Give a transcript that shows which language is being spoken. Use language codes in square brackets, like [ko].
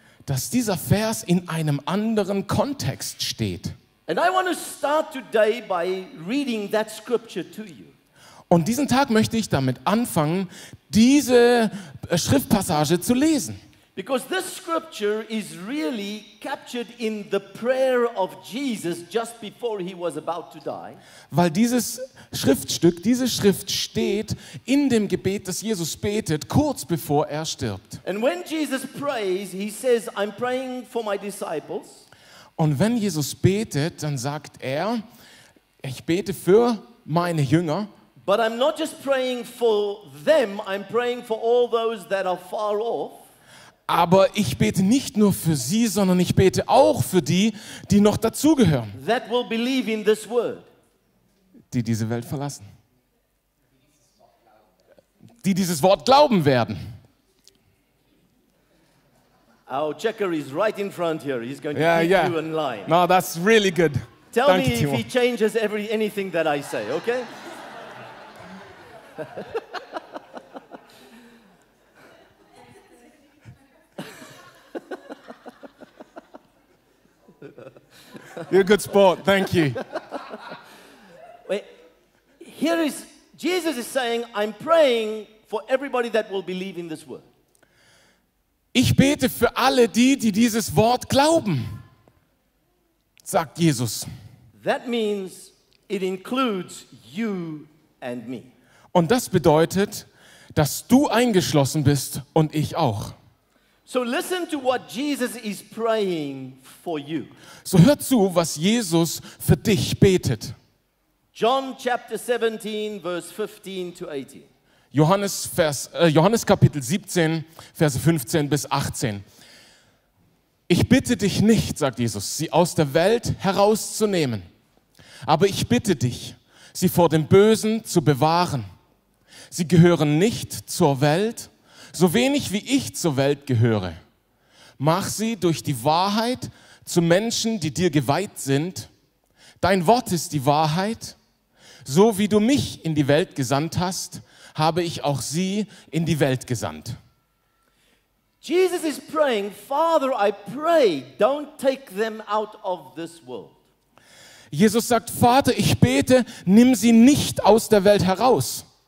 [de] Dass dieser Vers in einem anderen Kontext steht. [en] And I want to start today by reading that scripture to you. [de] Und diesen Tag möchte ich damit anfangen, diese Schriftpassage zu lesen. [en] Because this scripture is really captured in the prayer of Jesus just before he was about to die. [de] Weil dieses Schriftstück, diese Schrift steht in dem Gebet, das Jesus betet, kurz bevor er stirbt. [en] And when Jesus prays, he says, I'm praying for my disciples. [de] Und wenn Jesus betet, dann sagt er, ich bete für meine Jünger. [en] But I'm not just praying for them, I'm praying for all those that are far off. [de] Aber ich bete nicht nur für sie, sondern ich bete auch für die, die noch dazugehören. [en] That will believe in this word. [de] Die diese Welt verlassen. Die dieses Wort glauben werden. [en] Our checker is right in front here. He's going to keep you in line. No, that's really good. Tell [de] Danke, [en] me [de] Timo. [en] If he changes anything that I say, okay? You're a good sport. Thank you. Wait. Here is Jesus is saying, I'm praying for everybody that will believe in this word. [de] Ich bete für alle die, die dieses Wort glauben. Sagt Jesus. [en] That means it includes you and me. [de] Und das bedeutet, dass du eingeschlossen bist und ich auch. [en] So listen to what Jesus is praying for you. [de] So hör zu, was Jesus für dich betet. [en] John chapter 17 verse 15 to 18. [de] Johannes Kapitel 17 Verse 15 bis 18. Ich bitte dich nicht, sagt Jesus, sie aus der Welt herauszunehmen. Aber ich bitte dich, sie vor dem Bösen zu bewahren. Sie gehören nicht zur Welt. So wenig wie ich zur Welt gehöre, mach sie durch die Wahrheit zu Menschen, die dir geweiht sind. Dein Wort ist die Wahrheit. So wie du mich in die Welt gesandt hast, habe ich auch sie in die Welt gesandt. [en] Jesus is praying, Father, I pray, don't take them out of this world. [de] Jesus sagt, Vater, ich bete, nimm sie nicht aus der Welt heraus.